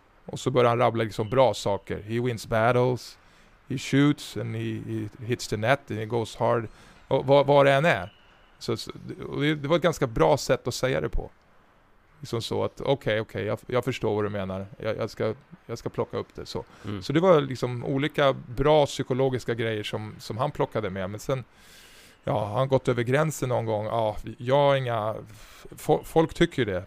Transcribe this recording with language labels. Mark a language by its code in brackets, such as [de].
[sv] Och så börjar han rabbla liksom bra saker. [en] He wins battles, he shoots and he hits the net and he goes hard. [sv] Och vad det än är. Det var ett ganska bra sätt att säga det på. Liksom så att okej, jag förstår vad du menar. Jag ska plocka upp det så. Mm. Så det var liksom olika bra psykologiska grejer som han plockade med. Men sen, ja, han gått över gränsen någon gång. Ja, jag har inga, folk tycker det.